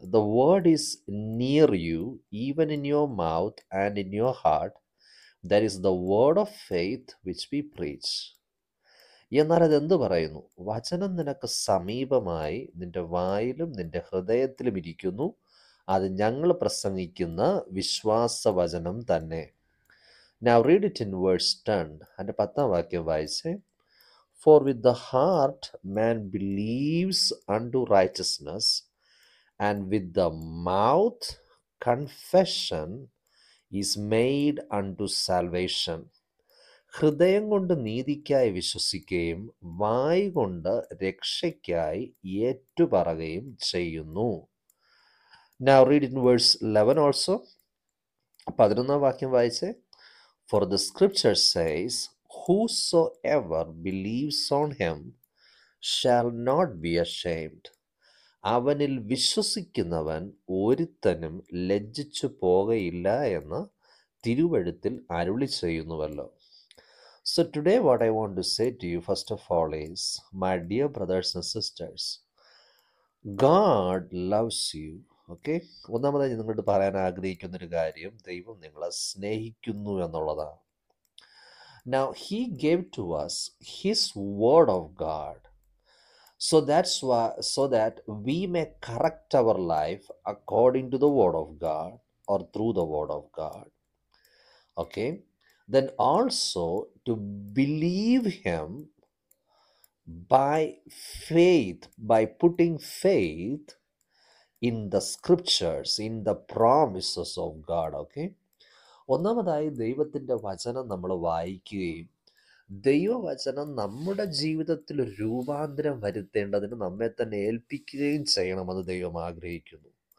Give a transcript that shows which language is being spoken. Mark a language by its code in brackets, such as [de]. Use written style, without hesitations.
[en] The word is near you, even in your mouth and in your heart. That is the word of faith which we preach. [ml] എന്നാൽ അതെന്തു പറയുന്നു? വചനം നിനക്ക് സമീപമായി നിന്റെ വായിലും നിന്റെ ഹൃദയത്തിലും ഇരിക്കുന്നു. അത് ഞങ്ങൾ പ്രസംഗിക്കുന്ന വിശ്വാസ വചനം തന്നെ. [en] Now read it in verse 10. [ml] അതിൻ്റെ 10-ാം വാക്യം വായിച്ചേ. [en] For with the heart man believes unto righteousness, and with the mouth confession is made unto salvation. [ml] ഹൃദയം കൊണ്ട് നീതിക്കായി വിശ്വസിക്കുകയും വായ് കൊണ്ട് രക്ഷയ്ക്കായി ഏറ്റുപറയുകയും ചെയ്യുന്നു. [en] Now read in verse 11 also. [ml] 11-ാം വാക്യം വായിച്ചേ. [en] For the scripture says, Whosoever believes on him shall not be ashamed. [ml] അവനിൽ വിശ്വസിക്കുന്നവൻ ഒരുത്തനും ലജ്ജിച്ചു പോകയില്ല എന്ന് തിരുവെഴുത്തിൽ അരുളി ചെയ്യുന്നുവല്ലോ. [en] So today what I want to say to you first of all is my dear brothers and sisters, God loves you. [ml] Okay, ഒന്നാമതായി നിങ്ങളോട് പറയാൻ ആഗ്രഹിക്കുന്നൊരു കാര്യം, ദൈവം നിങ്ങളെ സ്നേഹിക്കുന്നു എന്നുള്ളതാണ്. [en] Now, he gave to us his word of God, so that we may correct our life according to the word of God or through the word of God. Okay, then also to believe him by faith, by putting faith in the scriptures, in the promises of God. Okay. [ml] ഒന്നാമതായി ദൈവത്തിൻ്റെ വചനം നമ്മൾ വായിക്കുകയും ദൈവവചനം നമ്മുടെ ജീവിതത്തിൽ രൂപാന്തരം വരുത്തേണ്ടതിന് നമ്മെ തന്നെ ഏൽപ്പിക്കുകയും ചെയ്യണമെന്ന് ദൈവം ആഗ്രഹിക്കുന്നു.